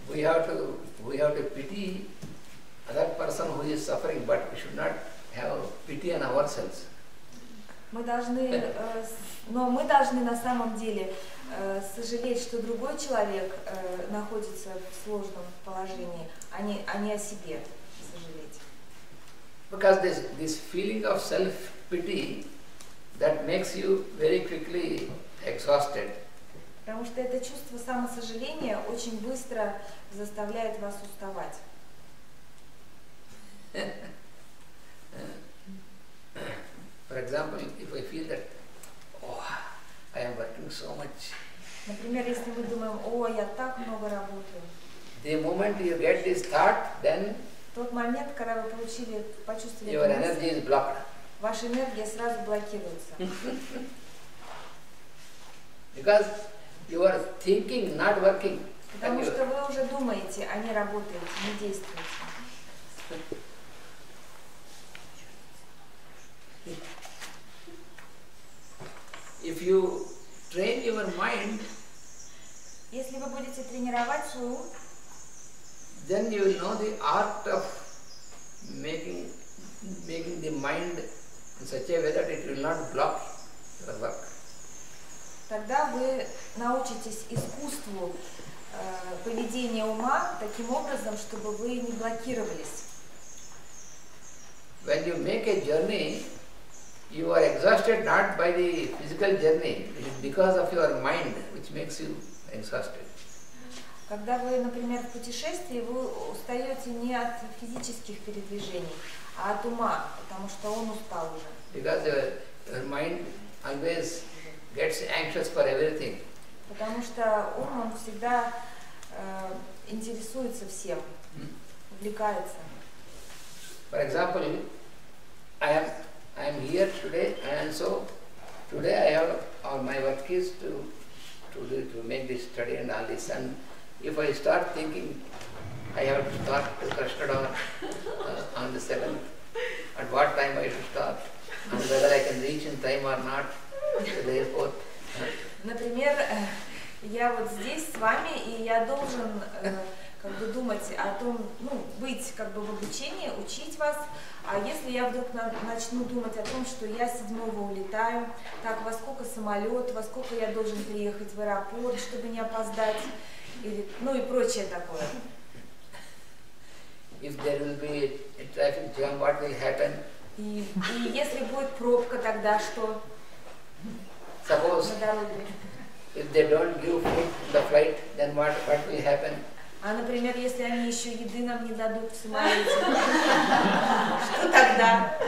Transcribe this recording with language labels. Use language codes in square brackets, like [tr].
[en] We have to pity other person who is suffering, but we should not have pity on ourselves. [ru] Мы должны на самом деле сожалеть, что другой человек находится в сложном положении, а не о себе сожалеть. [en] Because this feeling of self-pity that makes you very quickly exhausted. [ru] Потому что это чувство самосожаления очень быстро заставляет вас уставать. [en] For example, if I feel that, oh, I am working so much. [ru] Например, если мы думаем, о, я так много работаю. [en] The moment you get this thought, then. [ru] Тот момент, когда вы получили, почувствовали. [en] Your energy is blocked. [ru] Ваша энергия сразу блокируется. [en] Because you are thinking, not working. [ru] Потому что вы уже думаете, а не работаете, не действуете. [en] If you train your mind, [ru] если вы будете тренировать свой ум, [en] then you will know the art of making the mind in such a way that it will not block your work. [ru] Тогда вы научитесь искусству поведения ума таким образом, чтобы вы не блокировались. [en] When you make a journey, you are exhausted not by the physical journey, it is because of your mind which makes you exhausted. [ru] Когда вы, например, в путешествии, вы устаете не от физических передвижений, а от ума, потому что он устал уже. [en] Because your mind always gets anxious for everything. [ru] Потому что ум, он всегда интересуется всем, увлекается. [en] For example, I am here today, and so today I have all my work is to make this study and all this. And if I start thinking, I have to start to Krishna on the 7th. At what time I should start? And whether I can reach in time or not to the airport? [ru] Например, я вот здесь с вами, и я должен как бы думать о том, ну, быть как бы в обучении, учить вас. А если я вдруг начну думать о том, что я 7-го улетаю, так, во сколько самолет, во сколько я должен приехать в аэропорт, чтобы не опоздать, или, ну и прочее такое. [en] If there will be a traffic jam, what will happen? [ru] И если будет пробка, тогда что? [en] Suppose, if they don't give food on the flight, then what will happen? [ru] А, например, если они еще еды нам не дадут в самолете, что тогда?